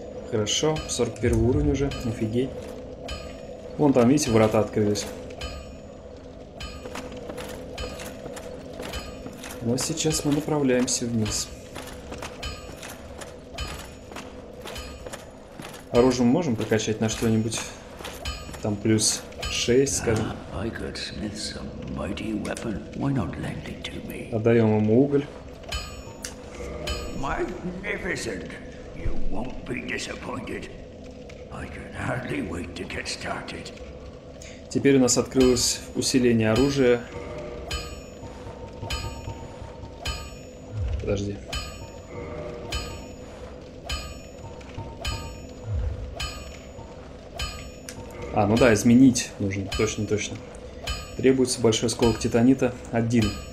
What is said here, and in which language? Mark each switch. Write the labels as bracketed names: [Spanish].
[Russian] Хорошо, 41 уровень уже, офигеть. Вон там, видите, врата открылись. Но сейчас мы направляемся вниз. Оружие мы можем прокачать на что-нибудь? Там плюс 6, скажем. [English] I could smith some mighty weapon. Why not lend it to me? Отдаем ему уголь. Magnificent. You won't be disappointed. I can hardly wait to get started. [Russian] Теперь у нас открылось усиление оружия. Подожди. А, ну да, изменить нужно, точно-точно. Требуется большой осколок титанита, один.